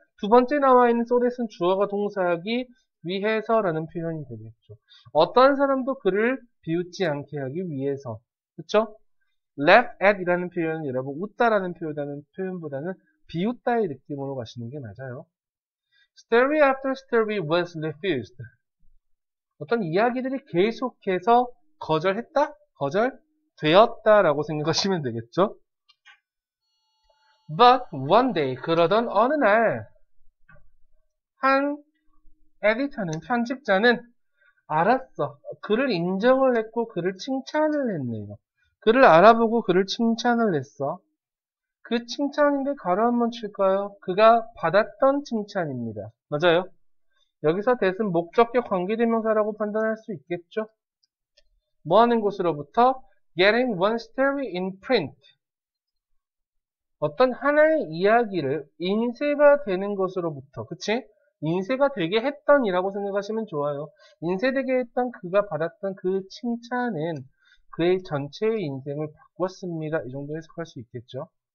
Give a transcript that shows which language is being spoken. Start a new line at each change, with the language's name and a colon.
Korean: 두 번째 나와 있는
English: so that
Korean: 은 주어가 동사하기 위해서라는 표현이 되겠죠. 어떤 사람도 그를 비웃지 않게 하기 위해서. 그쵸?
English: laugh at
Korean: 이라는 표현은 여러분 웃다라는 표현보다는 비웃다의 느낌으로 가시는 게 맞아요.
English: story after story was refused.
Korean: 어떤 이야기들이 계속해서 거절했다? 거절되었다라고 생각하시면 되겠죠.
English: but one day,
Korean: 그러던 어느 날, 한 에디터는, 편집자는 알았어. 그를 인정을 했고, 그를 칭찬을 했네요. 그를 알아보고 그를 칭찬을 했어. 그 칭찬인데 가로 한번 칠까요? 그가 받았던 칭찬입니다. 맞아요. 여기서 대신 목적격 관계대명사라고 판단할 수 있겠죠? 뭐 하는 곳으로부터?
English: Getting one story in print.
Korean: 어떤 하나의 이야기를 인쇄가 되는 것으로부터, 그치? 인쇄가 되게 했던이라고 생각하시면 좋아요. 인쇄되게 했던 그가 받았던 그 칭찬은 그의 전체의 인생을 바꿨습니다. 이 정도 해석할 수 있겠죠?